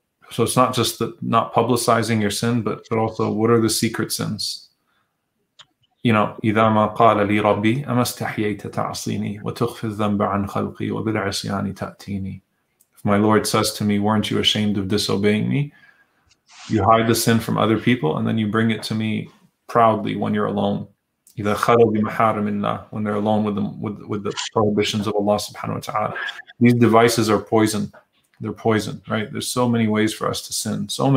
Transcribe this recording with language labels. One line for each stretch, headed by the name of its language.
English: So it's not just that not publicizing your sin, but also what are the secret sins? You know,
Arabic: إِذَا مَا قَالَ لِي رَبِّي أَمَسْتَحْيَيْتَ تَعْصِينِي وَتُخْفِ الذَّنْبَ عَنْ خَلْقِي وَبِالْعِصْيَانِ تَأْتِينِي.
English: If my Lord says to me, weren't you ashamed of disobeying me? You hide the sin from other people and then you bring it to me proudly when you're alone.
Arabic: إِذَا خَلَوْ بِمَحَارِمِ اللَّهِ,
English: when they're alone with the prohibitions of Allah subhanahu wa ta'ala. These devices are poison. They're poison, right? There's so many ways for us to sin.